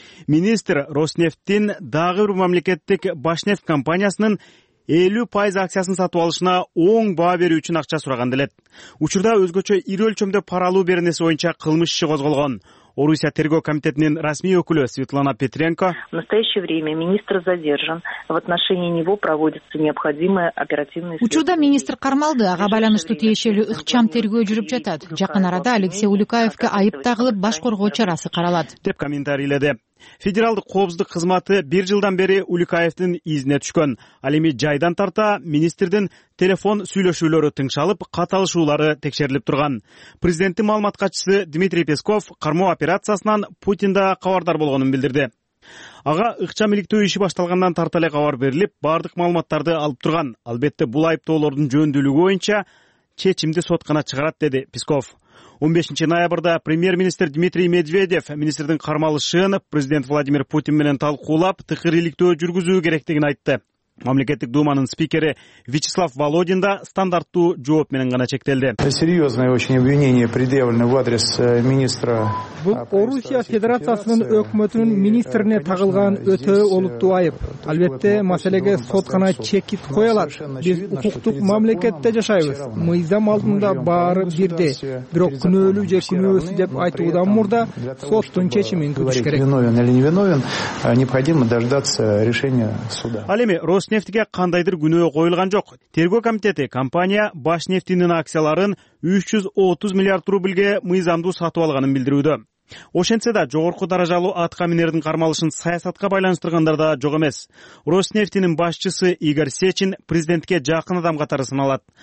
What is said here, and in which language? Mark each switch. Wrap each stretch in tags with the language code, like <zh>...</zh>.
<ky>Министр Роснефттин дагы бир мамлекеттик Башнефть компаниясынын 50% акциясын сатып алышына оң баа берүү үчүн акча сураган делет. Учурда өзгөчө ири өлчөмдө пара алуу беренеси боюнча кылмыш иши козголгон. Орусия тергөө комитетинин расмий өкүлү Светлана Петренко.</ky> <ru>В настоящее время министр задержан. В отношении него проводятся необходимые оперативные.</ru> <ky>Учурда министр кармалды, ага байланыштуу тиешелүү ыкчам тергөө жүрүп жатат. Жакын арада Алексей Улюкаевке айып тагылып баш коргоо чарасы каралат. Деп комментарийледи. Федералдык коопсуздук кызматы 1 жылдан бери Улюкаевдин изине түшкөн. Ал эми жайдан тарта министрдин телефон сүйлөшүүлөрү тыңшалып, катталышуулары текшерилип турган. Президенттин маалымат катчысы Дмитрий Песков кармоо операциясынан Путин да кабардар болгонун билдирди. Ага ыкчам иликтөө иши башталгандан тарта эле кабар берилип, бардык маалыматтарды алып турган. Албетте, бул айыптоолордун жөндүүлүгү боюнча чечимди сот гана чыгарат, деди Песков. 15 ноябрда премьер-министр Дмитрий Медведев министрдин кармалышын президент Владимир Путин менен талкуулап, тыкыр иликтөө жүргүзүү керектигин айтты. Мамлекеттик Думанын спикери Вячеслав Володин да стандарттуу жооп менен гана чектелди.</ky> <ru>Серьезное очень обвинение предъявлено в адрес министра.</ru> <ky>Бул Орусия Федерациясынын өкмөтүнүн министрине тагылган өтө олуттуу айып. Албетте, маселеге сот гана чекит кое алат. Биз укуктук мамлекетте жашайбыз. Мыйзам алдында баары бирдей. Бирок күнөөлүү же күнөөсүз деп айтуудан мурда соттун чечимин күтүш керек.</ky> <ru>Виновен или не виновен, необходимо дождаться решения суда.</ru> <ky>Алеми Роснефтиге кандайдыр күнөө коюлган жок. Тергөө комитети компания Башнефтинин акцияларын 330 миллиард рубльге мыйзамдуу сатып алганын билдирүүдө. Ошентсе да жогорку даражалуу аткаминердин кармалышын саясатка байланыштыргандар да жок эмес. Роснефтинин башчысы Игорь Сечин президентке жакын адам катары саналат.</ky>